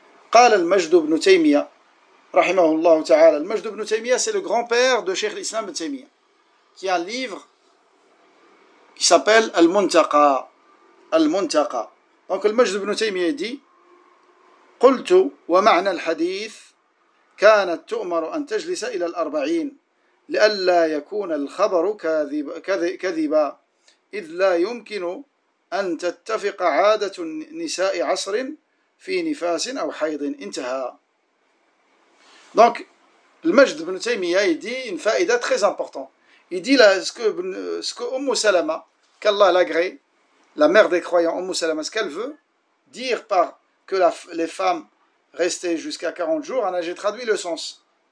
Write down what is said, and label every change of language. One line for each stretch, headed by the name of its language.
Arabic: قال المجد ابن تيمية رحمه الله تعالى.
French: المجد ابن تيمية c'est le grand-père de Cheikh l'Islam ibn Taymiyyah, qui a un livre qui s'appelle Al-Muntaqa. Al-Muntaqa.
Arabic: Donc المجد ابن تيمية dit: قلت ومعنى الحديث كانت تؤمر أن تجلس إلى الأربعين لألا يكون الخبر كذبا إذ لا يمكن أن تتفق عادة النساء عصر في نفاس أو حيض انتهى.
French: Donc, le Majd ibn Taymiyyah, il dit une faïda très importante. Il dit là, ce que Umm Salama, qu'Allah l'agrée, la mère des croyants, Umm Salama, ce qu'elle veut dire par que les femmes restaient jusqu'à 40 jours, en j'ai traduit le sens.